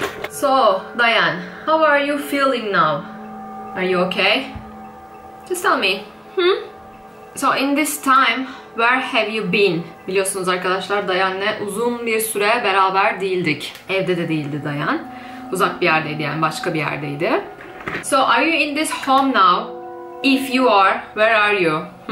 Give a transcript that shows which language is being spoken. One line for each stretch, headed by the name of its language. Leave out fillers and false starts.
English: So, Dayan, how are you feeling now? Are you okay? Just tell me. So in this time, where have you been?
Turkish: Biliyorsunuz arkadaşlar, Dayan'la uzun bir süre beraber değildik. Evde de değildi Dayan. Uzak bir yerdeydi yani, başka bir yerdeydi.
English: So are you in this home now? If you are, where are you?